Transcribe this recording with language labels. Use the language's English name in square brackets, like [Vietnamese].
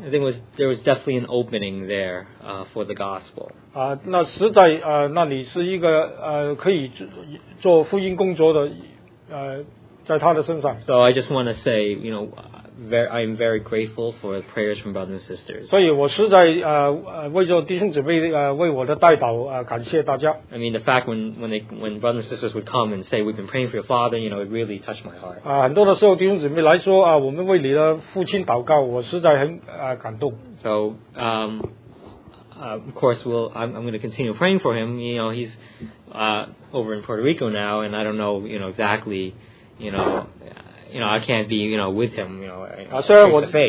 [English] I think there was definitely an opening there for the gospel. [Chinese] 那实在那里是一个可以做福音工作的，在他的身上。So [English] I just want to say, I'm very grateful for the prayers from brothers and sisters. [Chinese] 所以我实在为着弟兄姊妹为我的代祷感谢大家。I [English] mean, the fact when brothers and sisters would come and say, we've been praying for your father, it really touched my heart. [Chinese] 很多的时候弟兄姊妹来说，我们为你的父亲祷告，我实在很感动。So, [English] of course, I'm going to continue praying for him. He's over in Puerto Rico now, and I don't know, exactly, I can't be, with him,